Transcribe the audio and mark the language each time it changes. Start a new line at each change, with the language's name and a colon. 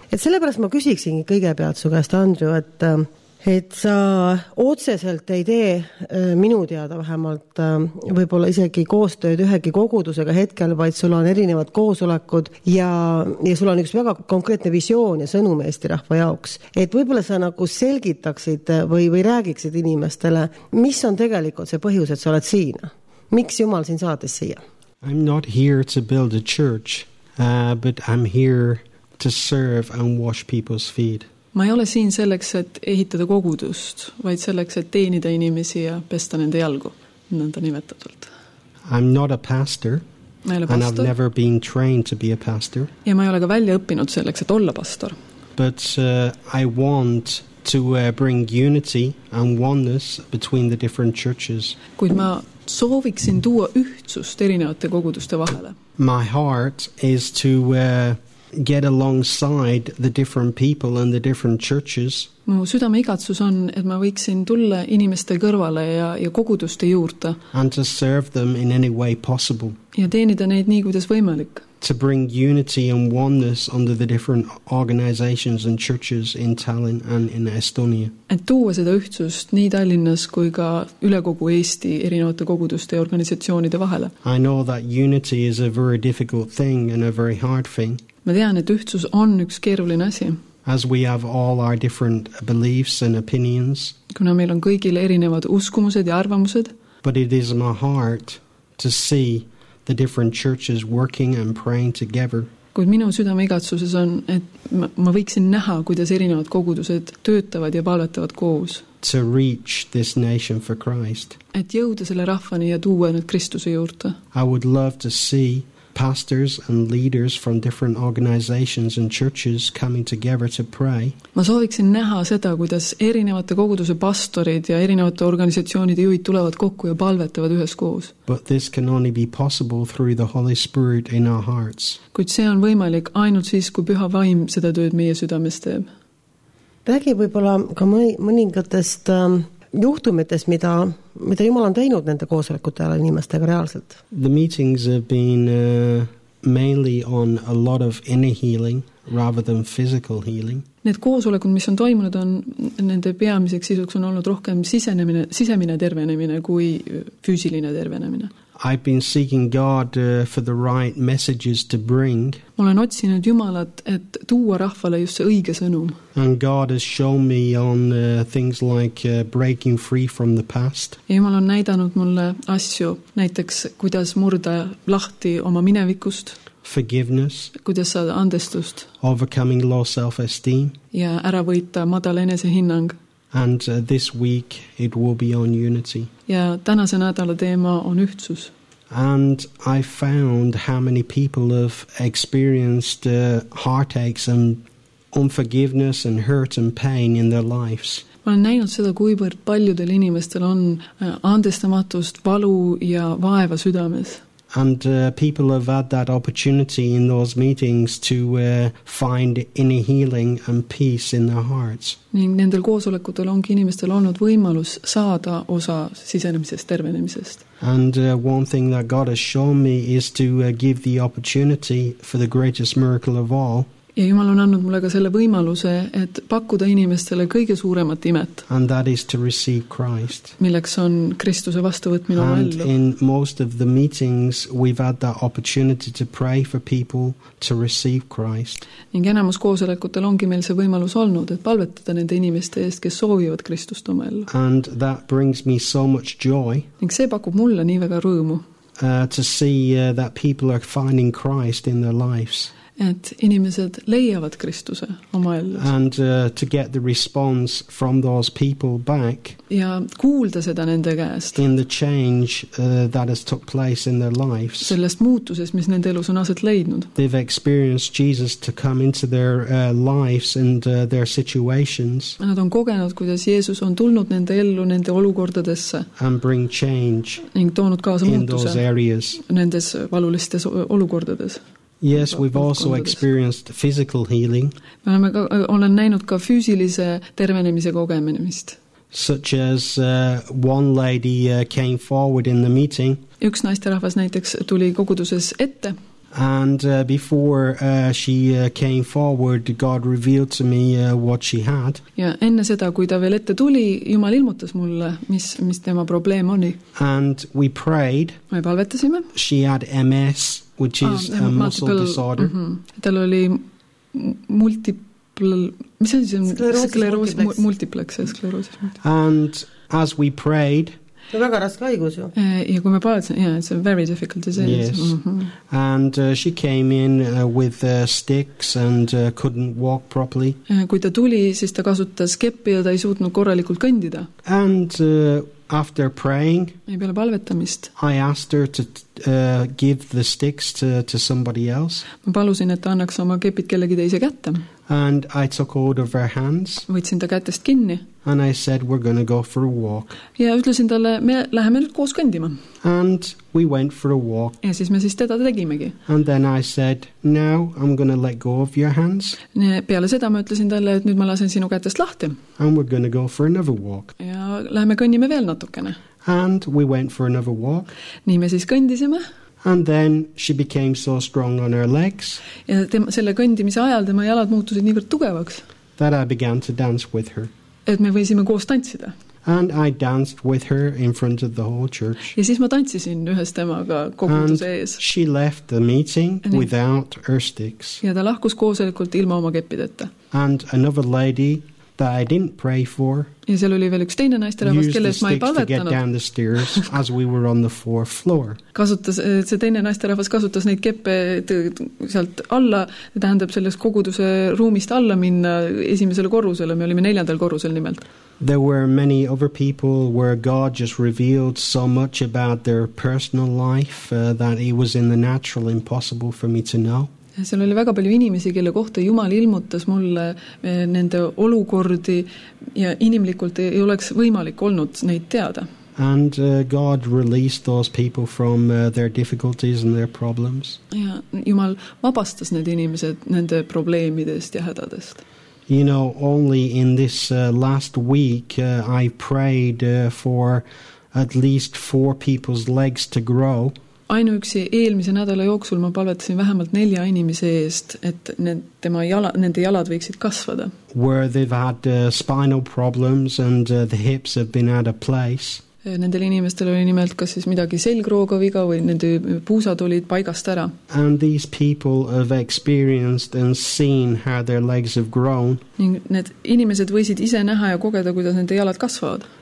Estonian: Et sellepärast ma küsiksin kõigepealt su käest, Andrew, et sa otseselt ei tee minu teada vähemalt võib-olla isegi koostööd ühegi kogudusega hetkel, vaid sul on erinevad koosolekud ja sul on üks väga konkreetne visioon ja sõnum Eesti rahva jaoks. Et võib-olla sa nagu selgitaksid või räägiksid inimestele, mis on tegelikult see põhjus, et sa oled siin? Miks Jumal siin saates siia?
English: I'm not here to build a church, but I'm here to serve and wash people's feet.
Estonian: Ma ei ole siin selleks, et ehitada kogudust, vaid selleks, et teenida inimesi ja pesta nende jalgu, nõnda nimetatult.
English: I'm not a pastor,
Estonian: ma ei ole pastor
English: and I've never been trained to be a pastor.
Estonian: Ja ma ei ole ka välja õppinud selleks, et olla pastor.
English: But I want to bring unity and oneness between the different churches.
Estonian: Kuid ma sooviksin tuua ühtsust erinevate koguduste vahele.
English: My heart is to get alongside the different people and the different churches.
Estonian: Mu südame igatsus on, et ma võiksin tulla inimeste kõrvale ja koguduste juurde.
English: And to serve them in any way possible.
Estonian: Ja teenida neid nii, kuidas võimalik.
English: To bring unity and oneness under the different organizations and churches in Tallinn and in Estonia.
Estonian: Et tuua seda ühtsust nii Tallinnas kui ka üle kogu Eesti erinevate koguduste ja organisatsioonide vahele.
English: I know that unity is a very difficult thing and a very hard thing.
Estonian: Ma tean, et ühtsus on üks keeruline asi.
English: As we have all our different beliefs and opinions.
Estonian: Kuna meil on kõigil erinevad uskumused ja arvamused.
English: But it is my heart to see the different churches working and praying together.
Estonian: Kuid minu südame igatsuses on, et ma võiksin näha, kuidas erinevad kogudused töötavad ja palvetavad koos.
English: To reach this nation for Christ.
Estonian: Et jõuda selle rahvani ja tuua nüüd Kristuse juurde.
English: I would love to see pastors and leaders from different organizations and churches coming together to pray.
Estonian: Ma sooviksin näha seda, kuidas erinevate koguduse pastorid ja erinevate organisatsioonide juhid tulevad kokku ja palvetavad ühes koos.
English: But this can only be possible through the Holy Spirit in our hearts.
Estonian: Kuid see on võimalik ainult siis, kui püha vaim seda tööd meie südames teeb. Räägi võib-olla ka mõningatest juhtumites, mida Jumal on teinud nende koosolekutele inimestega reaalselt.
English: The meetings have been mainly on a lot of inner healing rather than physical healing.
Estonian: Need koosolekud, mis on toimunud, on nende peamiseks sisuks on olnud rohkem sisemine tervenemine kui füüsiline tervenemine.
English: I've been seeking God for the right messages to bring.
Estonian: Ma olen otsinud Jumalat, et tuua rahvale just see õige sõnum.
English: And God has shown me on things like breaking free from the past.
Estonian: Ja Jumal on näidanud mulle asju, näiteks kuidas murda lahti oma minevikust.
English: Forgiveness.
Estonian: Kuidas saada andestust.
English: Overcoming low self-esteem.
Estonian: Ja ära võita madal enese hinnang.
English: And this week it will be on unity.
Estonian: Ja tänase nädala teema on ühtsus.
English: And I found how many people have experienced heartaches and unforgiveness and hurt and pain in their lives.
Estonian: Ma olen näinud seda, kuivõrd paljudel inimestel on andestamatust, valu ja vaeva südames.
English: And people have had that opportunity in those meetings to find inner healing and peace in their hearts.
Estonian: Ning nendel koosolekutel ongi inimestel olnud võimalus saada osa sisenemisest, tervenemisest.
English: And one thing that God has shown me is to give the opportunity for the greatest miracle of all.
Estonian: Ja Jumal on annud mulle ka selle võimaluse, et pakkuda inimestele kõige suuremat imet.
English: And that is to receive Christ.
Estonian: Milleks on Kristuse vastuvõtmine oma ellu.
English: In most of the meetings we've had that opportunity to pray for people to receive Christ.
Estonian: Ning enamus koosolekutel ongi meil see võimalus olnud, et palvetada nende inimeste eest, kes soovivad Kristust oma ellu.
English: And that brings me so much joy.
Estonian: Ning see pakub mulle nii väga rõõmu.
English: To see that people are finding Christ in their lives.
Estonian: Et inimesed leiavad Kristuse oma ellus.
English: And to get the response from those people back.
Estonian: Ja kuulda seda nende käest.
English: In the change that has took place in their lives.
Estonian: Sellest muutuses, mis nende elus on aset leidnud.
English: They've experienced Jesus to come into their lives and their situations.
Estonian: Nad on kogenud, kuidas Jeesus on tulnud nende ellu, nende olukordadesse.
English: And bring change.
Estonian: Ning toonud kaasa
English: in
Estonian: muutuse.
English: In those areas.
Estonian: Nendes valulistes olukordades.
English: Yes, we've also experienced physical healing.
Estonian: Me oleme ka, olen näinud ka füüsilise tervenemise kogemenemist.
English: Such as one lady came forward in the meeting.
Estonian: Üks naisterahvas näiteks tuli koguduses ette.
English: And before she came forward, God revealed to me what she had.
Estonian: Ja enne seda, kui ta veel ette tuli, Jumal ilmutas mulle, mis tema probleem oli.
English: And we prayed.
Estonian: Me palvetasime.
English: She had MS. Which is a muscle disorder. Mm-hmm.
Estonian: Tal oli multiple, mis on siis skleroosis multiplex.
English: And as we prayed.
Estonian: See on väga raske haigus ju. Ja kui me palasin,
English: yeah, it's a very difficult disease. Yes. Mm-hmm. And she came in with sticks and couldn't walk properly.
Estonian: Kui ta tuli, siis ta kasutas keppi ja ta ei suutnud korralikult kõndida.
English: And after praying,
Estonian: ei peale palvetamist,
English: I asked her to give the sticks to somebody else.
Estonian: Ma palusin, et ta annaks oma kepid kellegi teise kätte.
English: And I took hold of her hands.
Estonian: Võtsin ta kätest kinni.
English: And I said, we're going to go for a walk.
Estonian: Ja ütlesin talle, me läheme nüüd koos kõndima.
English: And we went for a walk.
Estonian: Ja siis me siis teda tegimegi.
English: And then I said, now I'm going to let go of your hands.
Estonian: Ja peale seda ma ütlesin talle, et nüüd ma lasen sinu kätest lahti.
English: And we're going to go for another walk.
Estonian: Ja läheme kõnnime veel natukene.
English: And we went for another walk.
Estonian: Nii me siis kõndisime.
English: And then she became so strong on her legs.
Estonian: Ja selle kõndimise ajal tema jalad muutusid niivõrd tugevaks.
English: That I began to dance with her.
Estonian: Et me võisime koos tantsida.
English: And I danced with her in front of the whole church.
Estonian: Ja siis ma tantsisin ühes temaga koguduse ees.
English: And she left the meeting without her sticks.
Estonian: Ja ta lahkus kooselikult ilma oma keppideta.
English: And another lady that I didn't pray for.
Estonian: Ja seal oli veel üks teine naisterahvas, kellest ma ei palvetanud.
English: Used the sticks to get down the stairs as we were on the fourth floor.
Estonian: Kasutas, see teine naisterahvas kasutas neid keppe sealt alla, tähendab selles koguduse ruumist alla minna esimesele korrusele, me olime neljandal korrusel nimelt.
English: There were many other people where God just revealed so much about their personal life that it was in the natural impossible for me to know.
Estonian: Seal oli väga palju inimesi, kelle kohta Jumal ilmutas mulle nende olukordi ja inimlikult ei oleks võimalik olnud neid teada.
English: And God released those people from their difficulties and their problems.
Estonian: Ja Jumal vabastas need inimesed nende probleemidest ja hädadest.
English: You know, only in this last week I prayed for at least four people's legs to grow.
Estonian: Ainuüksi eelmise nädala jooksul ma palvetasin vähemalt 4 inimese eest, et nende jalad võiksid kasvada.
English: Where they've had spinal problems and the hips have been out of place.
Estonian: Nendel inimestel oli nimelt kas siis midagi selgrooga viga või nende puusad olid paigast ära.
English: And these people have experienced and seen how their legs have grown.
Estonian: Ning need inimesed võisid ise näha ja kogeda, kuidas nende jalad kasvavad.